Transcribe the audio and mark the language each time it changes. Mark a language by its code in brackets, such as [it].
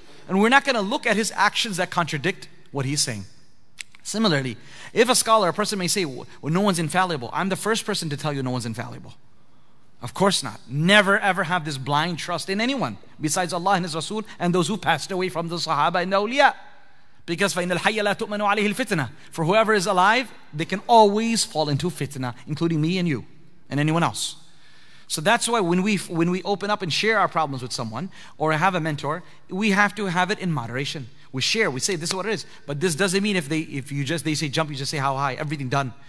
[en] And we're not going to look at his actions that contradict what he's saying. Similarly, if a scholar, a person may say, well, no one's infallible. I'm the first person to tell you no one's infallible. Of course not. Never ever have this blind trust in anyone besides Allah and His Rasul and those who passed away from the Sahaba and the Awliya. Because [ar] فَإِنَّ الْحَيَّ لَا تُؤْمَنُوا عَلَيْهِ الْفِتْنَةِ. [en] For whoever is alive, they can always fall into fitna, including me and you and anyone else. So that's why when we open up and share our problems with someone or have a mentor, we have to have it in moderation. We share, we say, this is what it is. But this doesn't mean if they say jump, you just say how high, everything done.